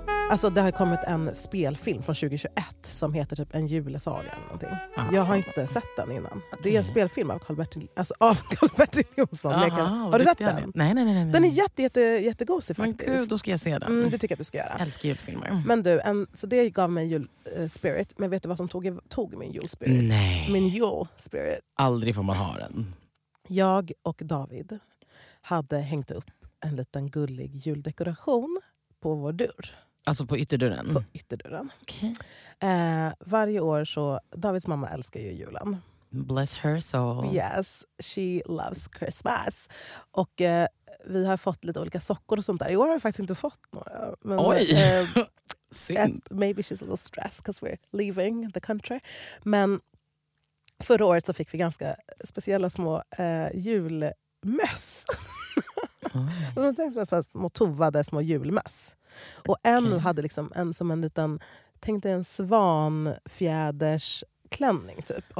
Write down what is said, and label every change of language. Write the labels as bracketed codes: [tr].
[sv] Alltså det har kommit en spelfilm från 2021 som heter typ En julesaga eller någonting. Aha. Jag har inte sett den innan. Okay. Det är en spelfilm av Carl Bertil Jonsson. Aha, har du sett den? Nej. Den är jättegosig faktiskt. Men gud, då ska jag se den. Det tycker jag att du ska göra. Jag älskar julfilmer. Men du, så det gav mig julspirit. Men vet du vad som tog min julspirit? Nej. Min julspirit. Aldrig får man ha den. Jag och David hade hängt upp en liten gullig juldekoration på vår dörr. Alltså på ytterdörren? På ytterdörren. Okay. Varje år så, Davids mamma älskar ju julen. [en] Bless her soul. Yes, she loves Christmas. [sv] Och vi har fått lite olika sockor och sånt där. I år har vi faktiskt inte fått några. Men, oj, synd. [en] Maybe she's a little stressed because we're leaving the country. [sv] Men förra året så fick vi ganska speciella små julmöss. Alltså, tänk som en små tovade små julmöss. Och en hade liksom en som en liten, tänkte en svanfjäders klänning typ.